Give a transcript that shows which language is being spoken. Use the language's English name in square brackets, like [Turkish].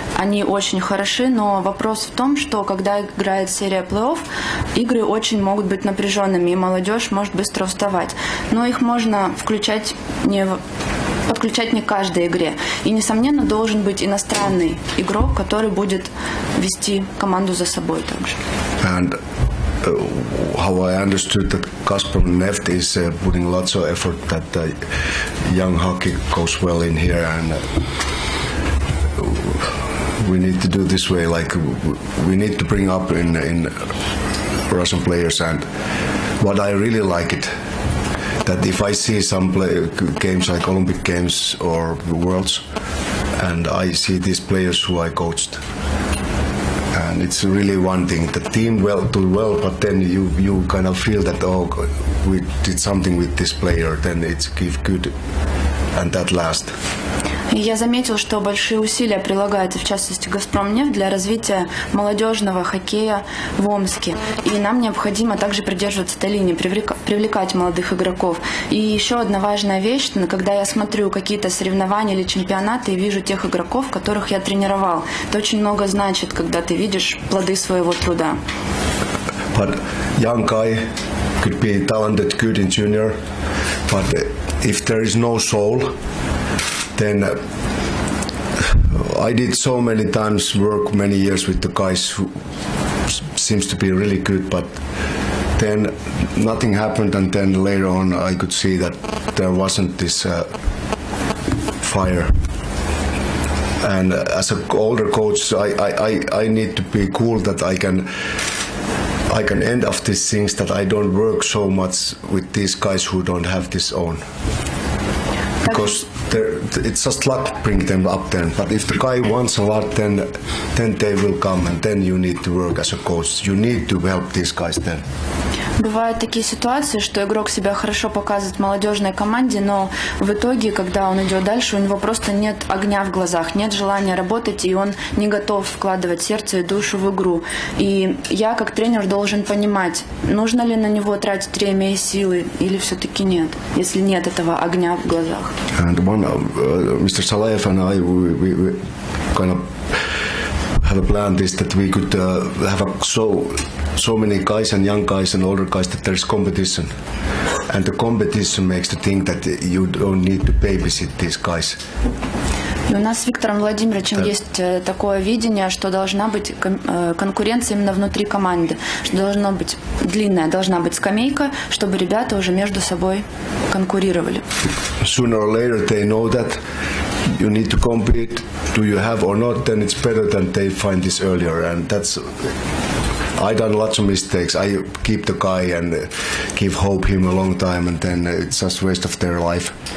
[Russian] Они очень хороши, но вопрос в том, что когда играет серия плей-офф, игры очень могут быть напряженными, и молодежь может быстро уставать. Но их можно подключать не к каждой игре. И, несомненно, должен быть иностранный игрок, который будет вести команду за собой также. [English] And how I understood that Kasper Neft is putting lots of effort that young hockey goes well in here, and we need to do this way, like we need to bring up in Russian players. And what I really like it, that if I see some play, games like Olympic Games or Worlds, and I see these players who I coached, and it's really one thing. The team well do well, but then you kind of feel that, oh, we did something with this player, then it's good, and that lasts. [Russian] И я заметил, что большие усилия прилагаются, в частности, «Газпромнефть» для развития молодежного хоккея в Омске. И нам необходимо также придерживаться этой линии, привлекать молодых игроков. И еще одна важная вещь, когда я смотрю какие-то соревнования или чемпионаты и вижу тех игроков, которых я тренировал, это очень много значит, когда ты видишь плоды своего труда. [English] But young guy could be talented, good in junior, but if there is no soul, then I did so many times work many years with the guys who seems to be really good, but then nothing happened, and then later on I could see that there wasn't this fire. And as an older coach, I need to be cool that I can end off these things, that I don't work so much with these guys who don't have this own. Because it's just luck bring them up then, but if the guy wants a lot, then they will come, and then you need to work as a coach, you need to help these guys then. [Russian] Бывают такие ситуации, что игрок себя хорошо показывает в молодежной команде, но в итоге, когда он идет дальше, у него просто нет огня в глазах, нет желания работать, и он не готов вкладывать сердце и душу в игру. И я как тренер должен понимать, нужно ли на него тратить время и силы, или все-таки нет, если нет этого огня в глазах. [English] And one, Mr. Salaev and I, we kind of have a plan is that we could have a so many guys and young guys and older guys that there's competition, and the competition makes the thing that you don't need to babysit these guys. [Russian] И у нас с Виктором Владимировичем есть такое видение, что должна быть конкуренция именно внутри команды, что должна быть длинная, должна быть скамейка, чтобы ребята уже между собой конкурировали. [English] Sooner or later they know that you need to compete, do you have or not, then it's better than they find this earlier, and that's... I done lots of mistakes. I keep the guy and give hope him a long time, and then it's just waste of their life.